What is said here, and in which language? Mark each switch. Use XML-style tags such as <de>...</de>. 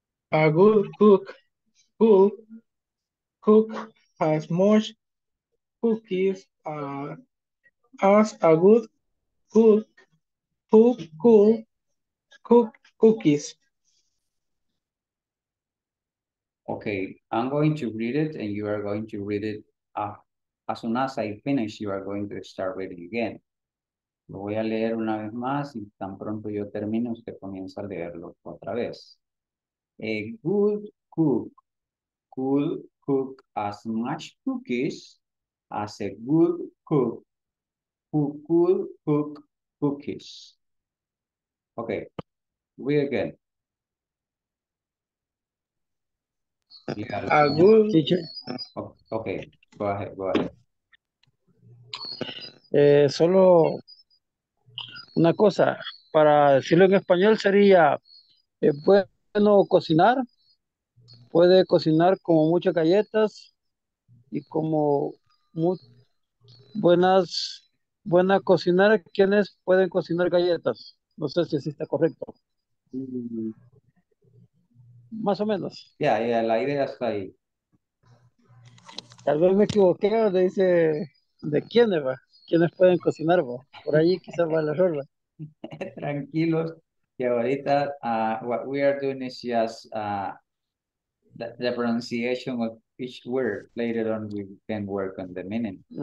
<en>A good cook could cook as much cookies as a good cook cookies. Okay, I'm going to read it and you are going to read it. As soon as I finish, you are going to start reading again.</en> <es>Lo voy a leer una vez más y tan pronto yo termine, usted comienza a leerlo otra vez.</es> <en>A good cook could cook as much cookies as a good cook who could cook cookies. Okay, read again. A good teacher. Okay, go ahead.</en> <es>Solo una cosa, para decirlo en español sería, bueno cocinar, puede cocinar como muchas galletas y como buenas cocinar, quienes pueden cocinar galletas. No sé si así está correcto. Más o menos. Ya, la idea está ahí. Tal vez me equivoqué, donde dice de quiénes va, quiénes pueden cocinar, ¿va? Por ahí quizás va el error. Tranquilos, que ahorita</es> <en>what we are doing is just the pronunciation of each word. Later on we can work on the meaning.</en>